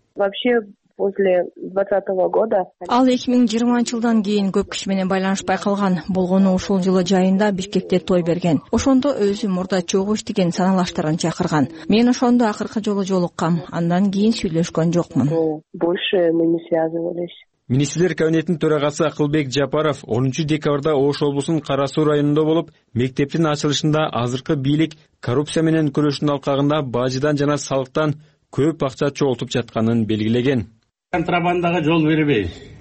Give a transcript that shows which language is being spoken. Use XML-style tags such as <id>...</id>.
<ru>Вообще после 2020 года.</ru> <ky>Ал 2020 жылдан кийин көп киши менен байланышпай калган. Болгону ушул жылы жайында Бишкекте той берген. Ошондо өзү мурда чогуш деген саналаштарын чакырган. Мен ошондо акыркы жолу жолуккам, андан кийин сүйлөшкөн жокмун.</ky> <ru>Больше мы не связывались.</ru> <ky>Министрлер кабинетинин төрагасы Акылбек Жапаров 10 декабрда Ош облусунун Кара Суу районунда болуп, мектептин ачылышында азыркы бийлик коррупция менен күрөшүүнүн алкагында бажыдан жана салыктан көп акча чогултуп жатканын белгилеген. Контрабандага жол бербейбиз.</ky>